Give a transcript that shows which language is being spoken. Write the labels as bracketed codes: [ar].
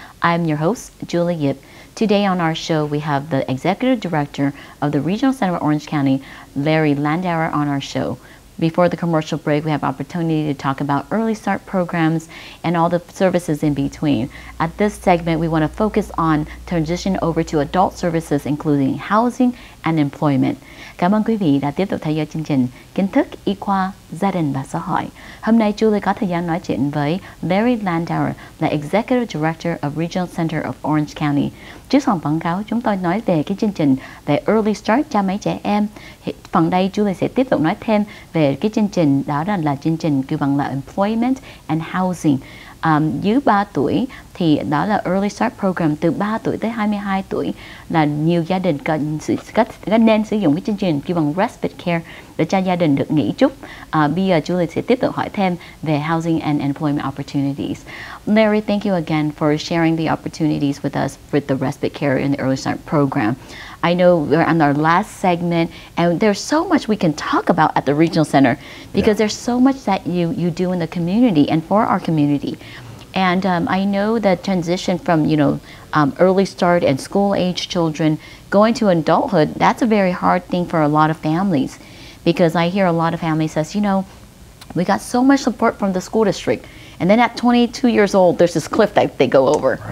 [en] I'm your host, Julie Yip. Today on our show, we have the Executive Director of the Regional Center of Orange County, Larry Landauer, on our show. Before the commercial break, we have opportunity to talk about Early Start programs and all the services in between. At this segment, we want to focus on transition over to adult services, including housing and employment. [vi] Cảm ơn quý vị đã tiếp tục theo dõi chương trình Kiến thức Y khoa Gia đình và Xã hội. Hôm nay, Julie có thời gian nói chuyện với Larry Landauer, là Executive Director of Regional Center of Orange County. Trước phần quảng cáo, chúng tôi nói về cái chương trình về Early Start cho mấy trẻ em. Phần đây, Julie sẽ tiếp tục nói thêm về cái chương trình đó là chương trình kêu bằng là Employment and Housing. Dưới 3 tuổi thì đó là Early Start Program, từ 3 tuổi tới 22 tuổi là nhiều gia đình nên sử dụng cái chương trình kêu bằng Respite Care để cho gia đình được nghỉ chút. Bây giờ Julie sẽ tiếp tục hỏi thêm về Housing and Employment Opportunities. [en] Larry, thank you again for sharing the opportunities with us with the Respite Care and the Early Start Program. I know we're on our last segment, and there's so much we can talk about at the Regional Center because there's so much that you do in the community and for our community. And I know the transition from, you know, early start and school-age children going to adulthood, that's a very hard thing for a lot of families, because I hear a lot of families says, you know, we got so much support from the school district, and then at 22 years old, there's this cliff that they go over,